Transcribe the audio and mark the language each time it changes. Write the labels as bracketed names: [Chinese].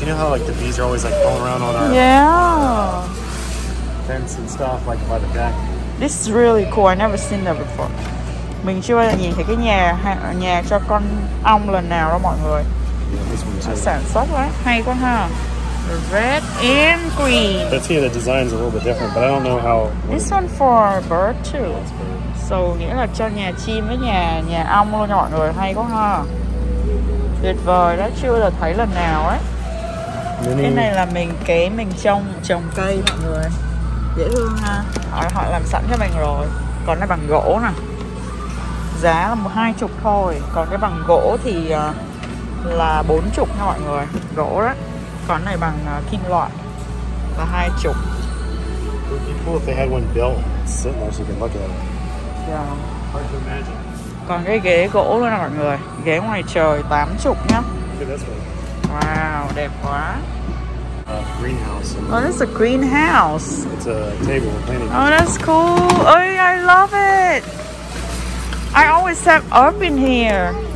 [English] You know how like the bees are always like going around on our fence and stuff like by the back. This is really cool. I never seen that before. [Vietnamese] Mình chưa bao giờ nhìn thấy cái nhà cho con ong lần nào đó mọi người. Sản xuất quá. Hay quá ha. [English] Red and green. Let's see, the design's a little bit different, but I don't know how. This one for a bird too. [Vietnamese] So nghĩa là cho nhà chim với nhà ong luôn nha mọi người. Hay quá ha. Tuyệt vời đó, chưa là thấy lần nào ấy. Cái này là mình kế mình trồng cây mọi người. Dễ thương ha. Họ làm sẵn cho mình rồi. Còn cái bằng gỗ nè. Giá là 20 thôi. Còn cái bằng gỗ thì là 40 nha mọi người. Gỗ đó. Còn này bằng kim loại là 20. [English] Cool if they had one built sitting there so you can look at it. Yeah. Hard to imagine. [Vietnamese] Còn cái ghế gỗ luôn nè mọi người. Ghế ngoài trời 80 nhá. Wow, đẹp quá. [English] Greenhouse. Oh, this is a greenhouse. It's a table we're planting. Oh, that's cool. Oh, I love it. I always have up in here.